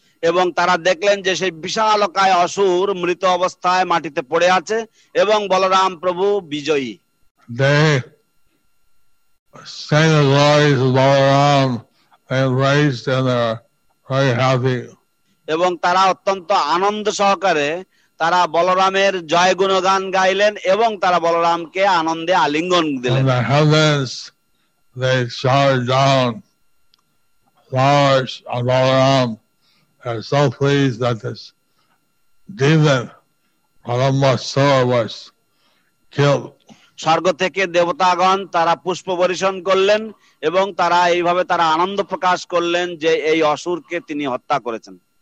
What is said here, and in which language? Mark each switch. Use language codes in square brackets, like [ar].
[bn] এবং তারা দেখলেন যে সেই বিশালকায় অসুর মৃত অবস্থায় মাটিতে পড়ে আছে এবং বলরাম প্রভু বিজয়ী। [en] They sang the glories of Balaram and raised and are very happy. [bn] এবং তারা অত্যন্ত আনন্দ সহকারে তারা বলরামের জয় গুণগান গাইলেন এবং তারা বলরামকে আনন্দে আলিঙ্গন দিলেন। [en] The heavens, they shower down flowers on Balaram. They're so pleased that this demon, Balambasura, was killed. [bn] স্বর্গ থেকে দেবতাগণ তারা পুষ্প বর্ষণ করলেন এবং তারা এইভাবে তারা আনন্দ প্রকাশ করলেন যে এই অসুরকে তিনি হত্যা করেছেন।